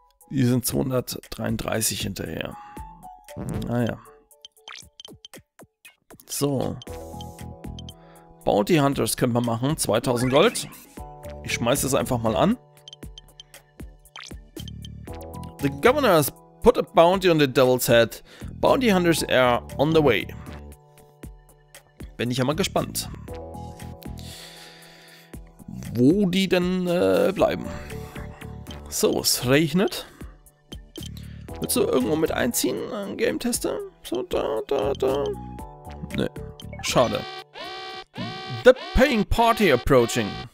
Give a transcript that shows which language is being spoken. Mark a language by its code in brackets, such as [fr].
[de] Die sind 233 hinterher. Naja. So. Bounty Hunters könnte man machen. 2000 Gold. Ich schmeiß das einfach mal an. [en] The governor has put a bounty on the devil's head. Bounty Hunters are on the way. [de] Bin ich ja mal gespannt. Wo die denn bleiben. So, es regnet. Willst du irgendwo mit einziehen, Game Tester? So, da. Ne, schade. [en] The paying party approaching.